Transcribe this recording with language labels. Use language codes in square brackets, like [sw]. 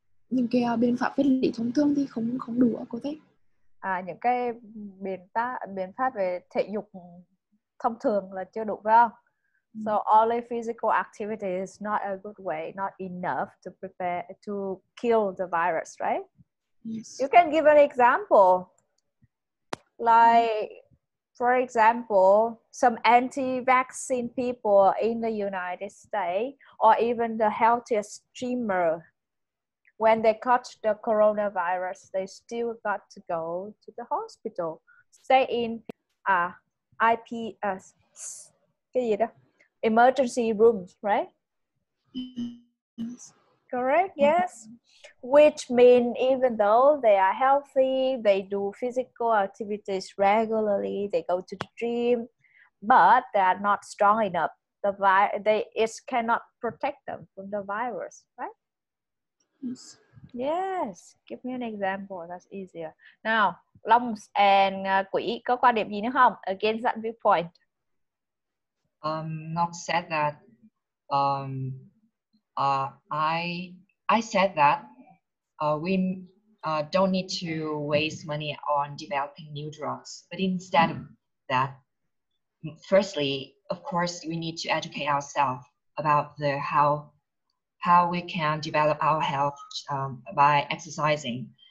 [vi] Những cái biện pháp vật lý thông thường thì không đủ cô thấy. À, những cái biện pháp về thể dục thông thường là chưa đủ phải không? [en] So only physical activity is not a good way, not enough to prepare to kill the virus, right? Yes. You can give an example. Like, for example, some anti-vaccine people in the United States or even the healthiest streamer, when they caught the coronavirus, they still got to go to the hospital, stay in IPS, [vi] cái gì đó? [en] Emergency rooms, right? Yes. Correct, yes. Which mean even though they are healthy, they do physical activities regularly, they go to the gym, but they are not strong enough. It cannot protect them from the virus, right? Yes. Yes. Give me an example, that's easier. [vi] Now, Long and Quỷ có quan điểm gì nữa không? [en] Against that viewpoint. Ngọc said that I said that we don't need to waste money on developing new drugs, but instead of that, firstly, of course, we need to educate ourselves about the how we can develop our health by exercising.